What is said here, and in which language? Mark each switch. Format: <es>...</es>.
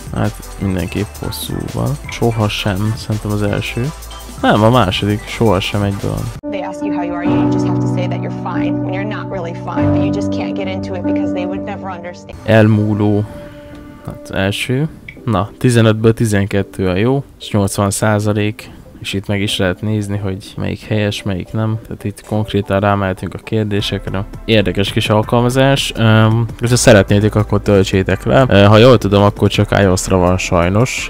<hu>Hát mindenképp hosszúval. Sohasem. Szerintem az első. Nem, a második. Sohasem egybe van.</hu> <en>They ask you how you are, you just have to say that you're fine. When you're not really fine, but you just can't get into it because they would never understand.</en> <hu>Elmúló. Hát első. Na, 15-ből 12 a jó, és 80%, és itt meg is lehet nézni, hogy melyik helyes, melyik nem. Tehát itt konkrétan rámehetünk a kérdésekre. Érdekes kis alkalmazás. Ha szeretnétek, akkor töltsétek le. Ha jól tudom, akkor csak iOS-ra van sajnos.</hu>